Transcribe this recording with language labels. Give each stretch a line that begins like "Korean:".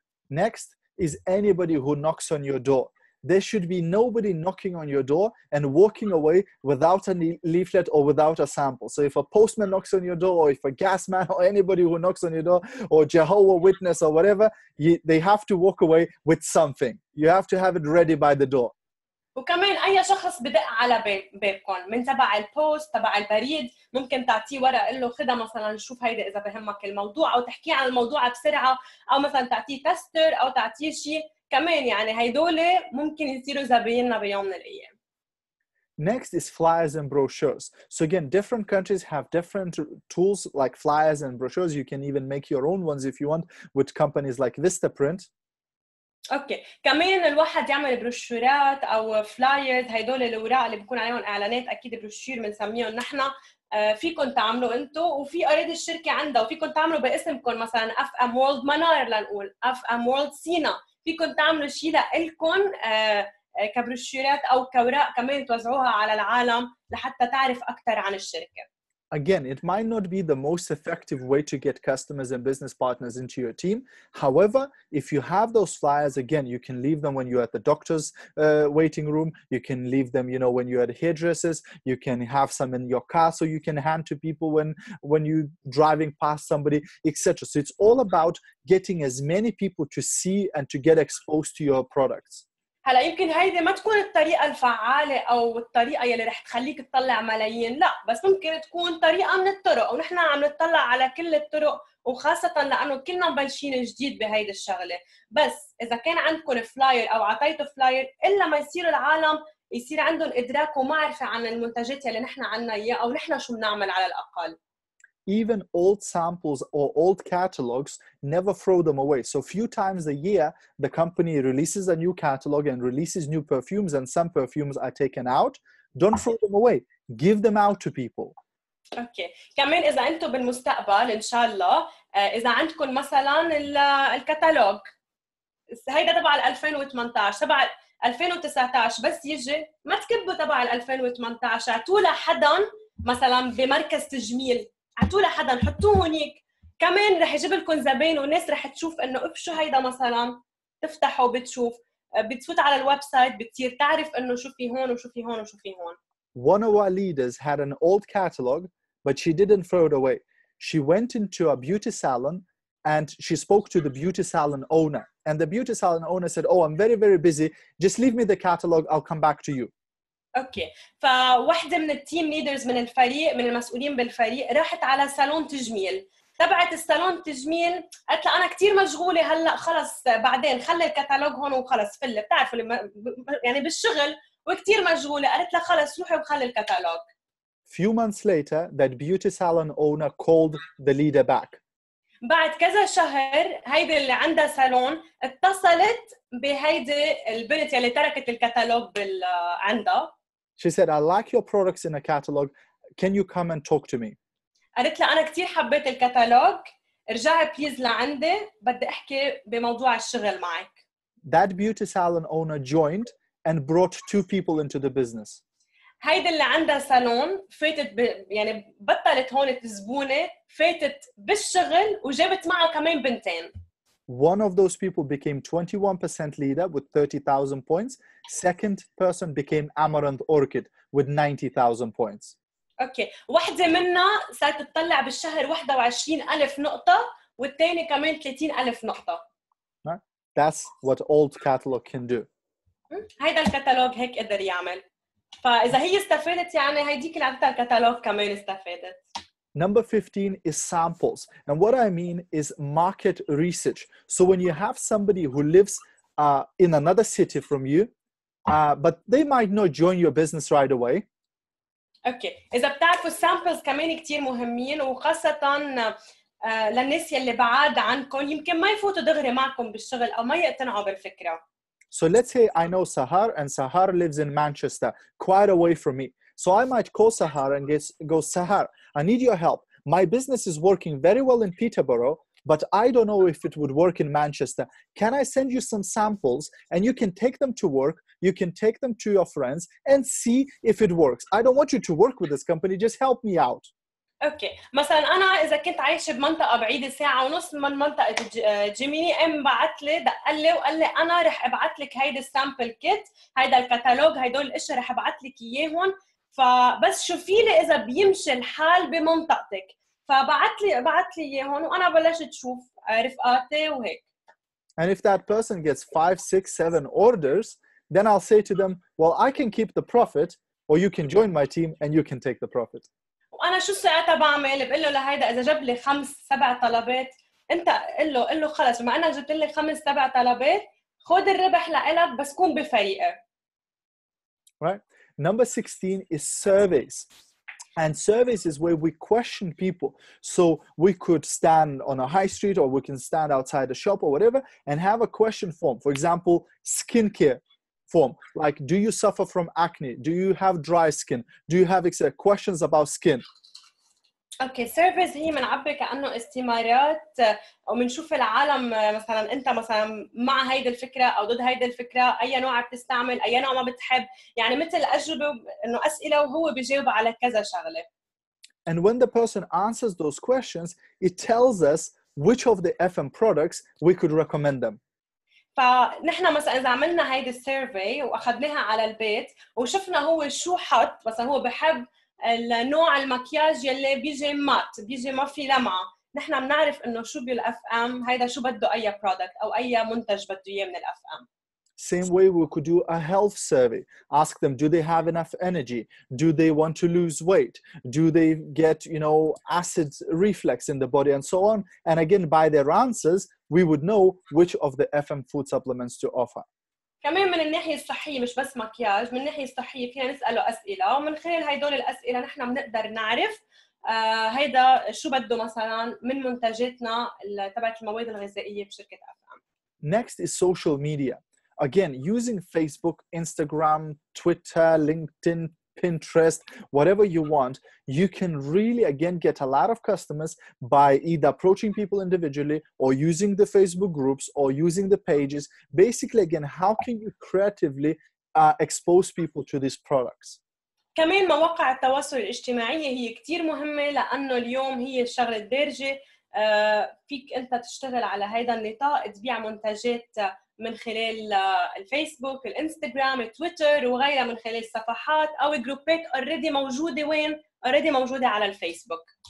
English: Next is anybody who knocks on your door. There should be nobody knocking on your door and walking away without a leaflet or without a sample. So if a postman knocks on your door, or if a gas man or anybody who knocks on your door, or Jehovah Witness or whatever, they have to walk away with something. You have to have it ready by the door.
Arabic: وكمان أي شخص بدق على بابكم من تبع البوست تبع البريد ممكن تعطيه ورق قل له خدها مثلا شوف هيدا إذا بهمك الموضوع أو تحكي عن الموضوع بسرعة أو مثلا تعطيه تستر أو تعطيه شيء كمان يعني هيدول ممكن يصيروا زبائننا بيوم من الأيام.
English: Next is flyers and brochures. So again, different countries have different tools like flyers and brochures. You can even make your own ones if you want with companies like Vistaprint.
Arabic: اوكي كمان الواحد يعمل بروشورات او فلايرز هيدول الاوراق اللي بكون عليهم اعلانات اكيد بروشور بنسميهم نحن فيكم تعملوا انتم وفي اراضي الشركه عندها وفيكم تعملوا باسمكم مثلا اف ام وورلد منار لنقول اف ام وورلد سينا فيكم تعملوا شيء لكم كبروشورات او كوراق كمان توزعوها على العالم لحتى تعرف اكثر عن الشركه.
English: Again, it might not be the most effective way to get customers and business partners into your team. However, if you have those flyers, again, you can leave them when you're at the doctor's waiting room. You can leave them, you know, when you're at hairdressers. You can have some in your car so you can hand to people when you're driving past somebody, etc. So it's all about getting as many people to see and to get exposed to your products.
Arabic: هلا يمكن هيدي ما تكون الطريقة الفعالة أو الطريقة يلي رح تخليك تطلع ملايين لا بس ممكن تكون طريقة من الطرق ونحن عم نطلع على كل الطرق وخاصة لأنه كلنا مبلشين جديد بهيدي الشغلة بس إذا كان عندكم فلاير أو عطيتوا فلاير إلا ما يصير العالم يصير عندهم إدراك ومعرفة عن المنتجات يلي نحن عنا إياه أو نحن شو بنعمل على الأقل
English: Even old samples or old catalogs, never throw them away. So few times a year, the company releases a new catalog and releases new perfumes and some perfumes are taken out. Don't throw them away. Give them out to people. Okay.
Arabic: كمان إذا أنتم بالمستقبل إن شاء الله إذا عندكم مثلاً الكتالوج هيدا تبع 2018 تبع 2019 بس يجي ما تكبوا تبع 2018 اعطوا لحدا مثلاً بمركز تجميل عطوه لحدا حطوه هونيك كمان رح يجيب لكم زبائن والناس رح تشوف انه اف شو هيدا مثلا تفتحه وبتشوف بتفوت على الويب سايت بتصير تعرف انه شو في هون وشو في هون وشو في هون
English: One of our leaders had an old catalog but she didn't throw it away She went into a beauty salon and she spoke to the beauty salon owner and the beauty salon owner said oh I'm very very busy just leave me the catalog I'll come back to you
Arabic: اوكي فواحدة من التيم ليدرز من الفريق من المسؤولين بالفريق راحت على صالون تجميل تبعت الصالون تجميل قالت لها انا كثير مشغوله هلا خلص بعدين خلي الكتالوج هون وخلص فل بتعرفوا يعني بالشغل وكثير مشغوله قالت لها خلص روحي وخلي الكتالوج
English: few months later that beauty salon owner called the leader back
Arabic: بعد كذا شهر هيدي اللي عندها صالون اتصلت بهيدي البنت يلي تركت الكتالوج عندها
English: She said, I like your products in a catalog. Can you come and talk to me?
Arabic: قالت لها أنا كتير حبيت الكتالوج. ارجعي بليز لعندي. بدي أحكي بموضوع الشغل معك.
English: That beauty salon owner joined and brought two people into the business.
Arabic: هيدا اللي عندها صالون فاتت يعني بطلت هون الزبونة فاتت بالشغل وجابت معها كمان بنتين.
English: One of those people became 21% leader with 30,000 points. Second person became Amaranth Orchid with 90,000 points. Okay.
Arabic: واحدة منا صارت تطلع بالشهر 21,000 نقطة والتاني كمان 30,000 نقطة.
English: That's what old catalog can do.
Arabic: هيدا الكتالوج هيك قدر يعمل. فإذا هي استفادت يعني هيديك اللي عطتها الكتالوج كمان استفادت.
English: Number 15 is samples. And what I mean is market research. So when you have somebody who lives in another city from you, but they might not join your business right away. Okay.
Arabic: إذا بتعرفوا samples كمان كتير مهمين وخاصة للناس يلي بعاد عنكم يمكن ما يفوتوا دغري معكم بالشغل أو ما يقتنعوا بالفكرة.
English: So let's say I know Sahar and Sahar lives in Manchester, quite away from me. So I might call Sahar and go, Sahar, I need your help. My business is working very well in Peterborough, but I don't know if it would work in Manchester. Can I send you some samples and you can take them to work? You can take them to your friends and see if it works. I don't want you to work with this company. Just help me out. Okay.
Arabic: مثلا أنا إذا كنت عايشة بمنطقة بعيدة ساعة ونص من منطقة جيميني أم بعت لي دقل لي وقال لي أنا رح أبعت لك هيدا السامبل كيت هيدا الكتالوج هيدول الأشياء رح أبعت لك إياهم فبس شوفي لي إذا بيمشي الحال بمنطقتك فبعت لي إياهم وأنا بلشت أشوف رفقاتي وهيك
English: And if that person gets 5, 6, 7 orders then I'll say to them well I can keep the profit or you can join my team and you can take the profit
Arabic: وانا شو ساعتها بعمل بقول له لهيدا اذا جاب لي 5-7 طلبات انت قل له خلص بما انك جبت لي 5-7 طلبات خذ الربح لإلك بس كون بفريقي
English: right number 16 is surveys and surveys is where we question people so we could stand on a high street or we can stand outside a shop or whatever and have a question form for example skincare form like do you suffer from acne do you have dry skin do you have questions about skin
Arabic: okay surveys هي منعبي كأنه استمارات او منشوف العالم مثلا انت مثلا مع هيدا الفكرة او ضد هيدا الفكرة اي نوع بتستعمل اي نوع ما بتحب يعني مثل اجوبة انه اسئلة وهو بيجاوب على كذا شغلة
English: And when the person answers those questions, it tells us which of the FM products we could recommend them.
Arabic: فنحن مثلا إذا عملنا هيدي السيرفي وأخذناها على البيت وشفنا هو شو حط مثلا هو بحب النوع المكياج يلي بيجي مات بيجي ما في لمعة نحن بنعرف إنه شو بالأف أم هيدا شو بده أي product أو أي منتج بده إياه من الأف أم.
English: Same way we could do a health survey. Ask them, do they have enough energy? Do they want to lose weight? Do they get, you know, acid reflux in the body and so on? And again, by their answers, we would know which of the FM food supplements to offer.
Arabic: كمان من الناحية الصحية مش بس مكياج من الناحية الصحية فينا نسأله أسئلة ومن خلال هيدول الأسئلة نحن بنقدر نعرف هيدا شو بده مثلاً من منتجاتنا تبعت المواد الغذائية بشركة FM.
English: Next is social media. Again, using Facebook, Instagram, Twitter, LinkedIn, Pinterest, whatever you want, you can really, again, get a lot of customers by either approaching people individually or using the Facebook groups or using the pages. Basically, again, how can you creatively expose people to these products?
Arabic: كمان مواقع التواصل الاجتماعي هي كتير مهمة لأنه اليوم هي الشغلة الدارجة. فيك أنت تشتغل على هيدا النطاق تبيع منتجات من خلال الفيسبوك، الانستغرام، التويتر وغيرها من خلال الصفحات أو جروبات already موجودة وين؟ already موجودة على الفيسبوك.